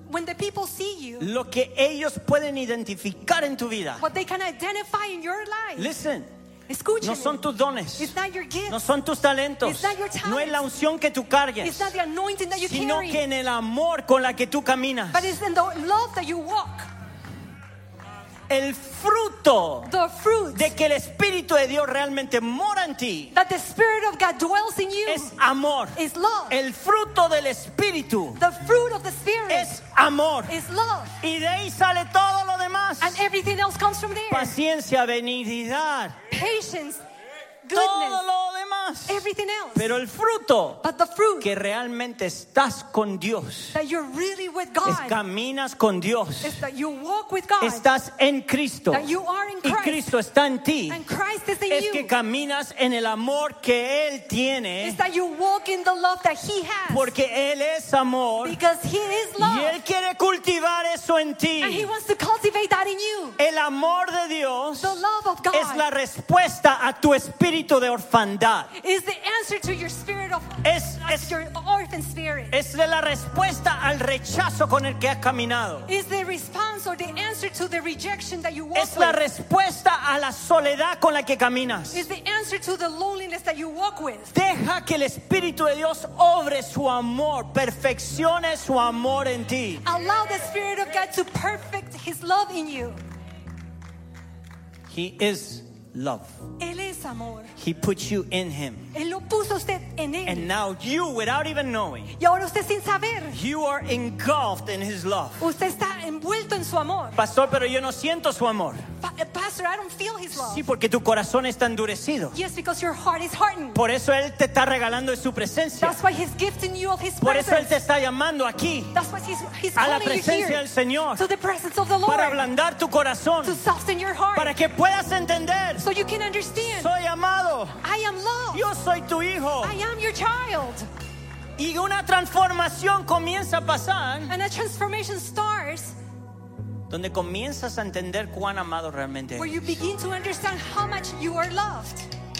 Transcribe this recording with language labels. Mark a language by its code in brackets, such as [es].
[en] when the people see you, [es] lo que ellos pueden identificar en tu vida, [en] what they can identify in your life. Listen. [es] Escúchame. No son tus dones. [en] It's not your gifts. [es] No son tus talentos. [en] It's not your talents. [es] No es la unción que tú cargues. [en] It's not the anointing that you [es] sino [en] carry. [es] Que en el amor con la que tú caminas. [en] But it's in the love that you walk. [es] El fruto, [en] the fruit, [es] de que el Espíritu de Dios realmente mora en ti, [en] that the Spirit of God dwells in you, [es] es amor, [en] is love. [es] El fruto del Espíritu, [en] the fruit of the Spirit, [es] es amor, [en] is love. [es] Y de ahí sale todo lo demás. [en] And everything else comes from there. [es] Paciencia, benignidad, [en] patience, goodness, [es] todo lo demás. [en] Everything else. [es] Pero el fruto, [en] but the fruit, [es] que realmente estás con Dios, [en] that you're really with God, [es] es caminas con Dios, [en] is that you walk with God, [es] estás en Cristo, [en] that you are in Christ, [es] y Cristo está en ti, [en] and Christ is in [es] es [en] you. [es] Que caminas en el amor que Él tiene, [en] is that you walk in the love that He has, [es] porque Él es amor, [en] because He is love, [es] y Él quiere cultivar eso en ti, [en] and He wants to cultivate that in you. [es] El amor de Dios, [en] the love of God, [es] es la respuesta a tu espíritu de orfandad. [en] Is the answer to your spirit of your orphan spirit. [es] Es de la respuesta al rechazo con el que has caminado. [en] Is the response or the answer to the rejection that you walk [es] es la respuesta [en] with. [es] A la soledad con la que caminas. [en] Is the answer to the loneliness that you walk with. [es] Deja que el Espíritu de Dios obre su amor, perfeccione su amor en ti. [en] Allow the Spirit of God to perfect His love in you. He is love. [es] Él es amor. [en] He puts you in Him. [es] Él lo puso usted en él. [en] And now you, without even knowing, [es] y ahora usted sin saber, [en] you are engulfed in His love. [es] Usted está envuelto en su amor. Pastor, pero yo no siento su amor. [en] Pastor, I don't feel His love. [es] Sí, porque tu corazón está endurecido. [en] Yes, because your heart is hardened. [es] Por eso Él te está regalando su presencia. [en] That's why He's gifting you of His presence. [es] Por eso Él te está llamando aquí. [en] That's why He's calling [es] a la presencia [en] you here [es] del Señor. [en] To the presence of the Lord. [es] Para ablandar tu corazón. [en] To soften your heart. [es] Para que puedas entender. [en] So you can understand. [es] Soy amado. [en] I am loved. [es] Yo soy tu hijo. [en] I am your child. [es] Y una transformación comienza a pasar. [en] And a transformation starts. [es] Donde comienzas a entender cuán amado realmente eres. [en] Where you begin to understand how much you are loved.